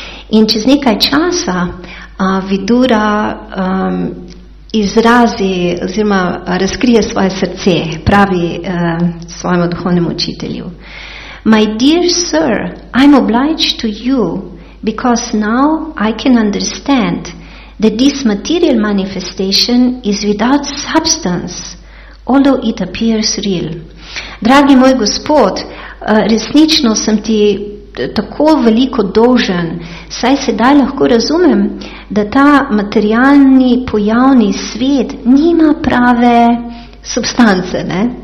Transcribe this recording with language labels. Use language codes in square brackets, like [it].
[sl] In čez nekaj časa Vidura izrazi oziroma razkrije svoje srce, pravi svojemu duhovnemu učitelju. [en] My dear sir, I'm obliged to you because now I can understand that this material manifestation is without substance, although it appears real. [sl] Dragi moj gospod, resnično sem ti tako veliko dolžen, saj sedaj lahko razumem, da ta materialni pojavni svet nima prave substance, ne?